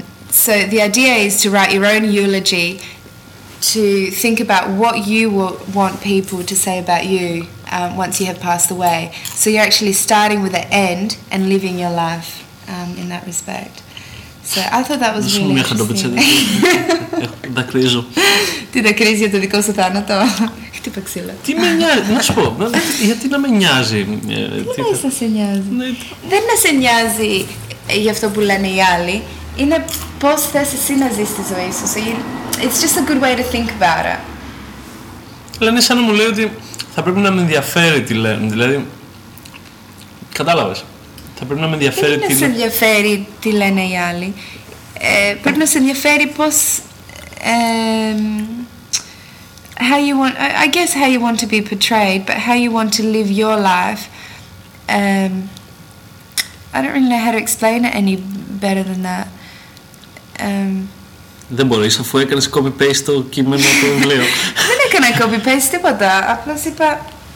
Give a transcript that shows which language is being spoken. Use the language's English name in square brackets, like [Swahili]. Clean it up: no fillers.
[English] So the idea is to write your own eulogy, to think about what you want people to say about you once you have passed away. So you're actually starting with the end and living your life in that respect. So I thought that was really interesting. [Greek] Δακρύζω. Τι δακρύζει για το δικό σου θάνατο? Χτύπα ξύλα. Τι με νοιάζει, να σου πω, γιατί να με νοιάζει? Τι να είσαι να σε νοιάζει? Δεν να σε νοιάζει για αυτό που λένε οι άλλοι. Είναι πώς θες εσύ να ζεις τη ζωή σου. [English] It's just a good way to think about it. [Greek] Λένε σαν να μου λέει ότι θα πρέπει να με ενδιαφέρει τι λένε. Δηλαδή, κατάλαβες. Θα πρέπει να με ενδιαφέρει τι λένε. Δεν σε ενδιαφέρει τι λένε οι άλλοι. Πρέπει να σε ενδιαφέρει πώς... [English] how you want... I guess how you want to be portrayed, but how you want to live your life. I don't really know how to explain it any better than that. [Greek] Δεν μπορείς, αφού έκανες copy-paste το κείμενο από το βιβλίο. Δεν έκανα copy-paste τίποτα, απλώς είπα...